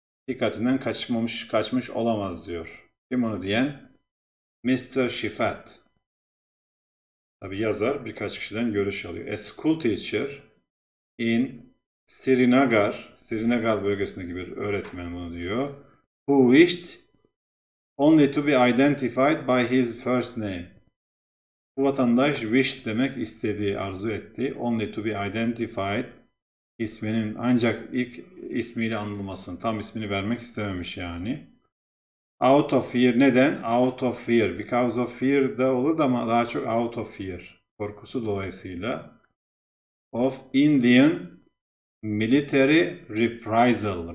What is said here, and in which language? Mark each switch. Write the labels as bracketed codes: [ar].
[tr] Dikkatinden kaçmış olamaz diyor. Kim onu diyen? Mr. Shifat. Tabi yazar birkaç kişiden görüş alıyor. [en] A school teacher in Srinagar, [tr] Srinagar bölgesindeki bir öğretmen bunu diyor. [en] Who wished only to be identified by his first name. [tr] Bu vatandaş wished demek istediği, arzu etti. [en] Only to be identified [tr] isminin ancak ilk ismiyle anılmasını, tam ismini vermek istememiş yani. [en] Out of fear. [tr] Neden? [en] Out of fear. Because of fear [tr] da olur da ama daha çok [en] out of fear. [tr] Korkusu dolayısıyla. [en] Of Indian military reprisal.